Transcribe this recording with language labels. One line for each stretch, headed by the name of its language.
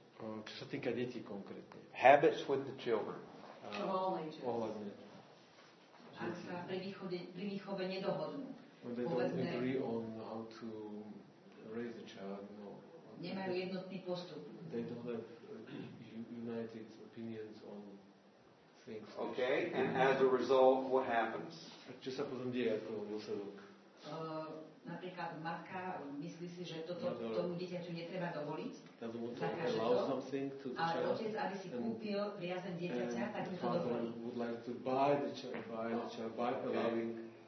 Slovak: Čo sa týka detí konkrétne.
English: Habits with the children. Of all ages.
Slovak: Ak sa pri výchove nedohodnú.
English: They don't agree on how to raise the child. No.
Slovak: Nemajú jednotný postup.
English: They don't have united opinions on things. Okay, and as a result, what happens?
Slovak: Čo sa potom deje ako dôsledok? Napríklad matka myslí si, že toto tomu dieťaťu netreba dovoliť. Ale otec, aby si kúpil priazeň dieťaťa, tak mu to dovolí.
English: And would like to buy the child, by allowing.